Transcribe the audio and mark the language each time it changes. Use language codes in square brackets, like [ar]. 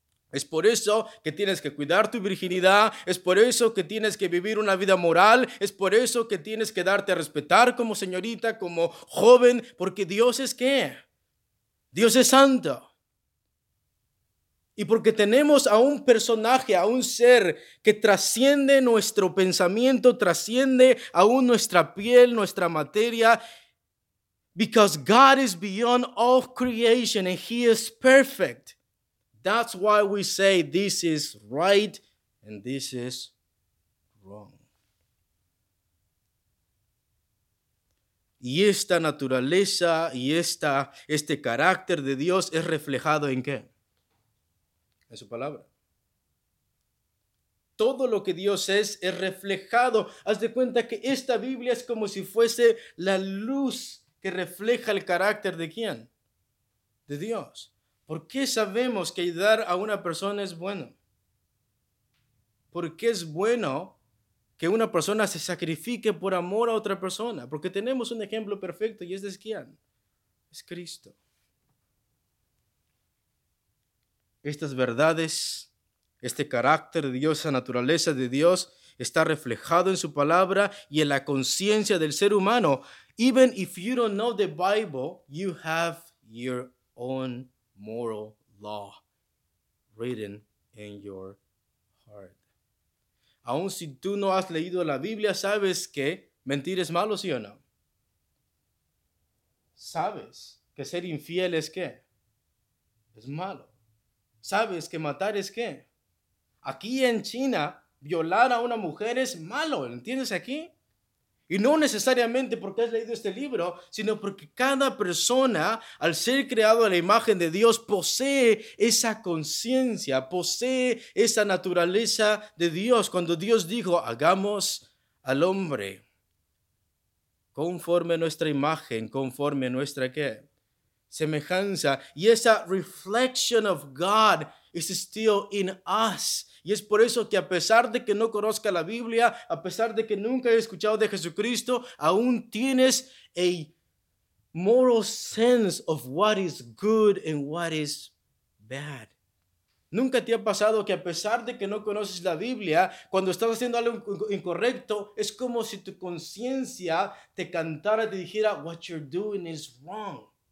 [es] Es por eso que tienes que cuidar tu virginidad, es por eso que tienes que vivir una vida moral, es por eso que tienes que darte a respetar como señorita, como joven, porque Dios es ¿qué? Dios es santo. Y porque tenemos a un personaje, a un ser que trasciende nuestro pensamiento, trasciende aún nuestra piel, nuestra materia. [en] Because God is beyond all creation and He is perfect. That's why we say this is right and this is wrong. [es] Y esta naturaleza y este carácter de Dios es reflejado ¿en qué? En su palabra. Todo lo que Dios es reflejado. Haz de cuenta que esta Biblia es como si fuese la luz que refleja el carácter ¿de quién? De Dios. ¿Por qué sabemos que ayudar a una persona es bueno? ¿Por qué es bueno que una persona se sacrifique por amor a otra persona? Porque tenemos un ejemplo perfecto y es de quién. Es Cristo. Estas verdades, este carácter de Dios, esa naturaleza de Dios, está reflejado en su palabra y en la conciencia del ser humano. [en] Even if you don't know the Bible, you have your own moral law written in your heart. [es] Aun si tú no has leído la Biblia, sabes que mentir es malo, ¿sí o no? Sabes que ser infiel es ¿qué? Es malo. Sabes que matar es ¿qué? Aquí en China, violar a una mujer es malo, ¿entiendes aquí? Y no necesariamente porque has leído este libro, sino porque cada persona, al ser creado a la imagen de Dios, posee esa conciencia, posee esa naturaleza de Dios. Cuando Dios dijo, hagamos al hombre conforme a nuestra imagen, conforme a nuestra ¿qué? Semejanza. Y esa [en] reflection of God is still in us. [es] Y es por eso que a pesar de que no conozca la Biblia, a pesar de que nunca he escuchado de Jesucristo, aún tienes [en] a moral sense of what is good and what is bad. [es] ¿Nunca te ha pasado que a pesar de que no conoces la Biblia, cuando estás haciendo algo incorrecto, es como si tu conciencia te cantara, te dijera, [en] what you're doing is wrong?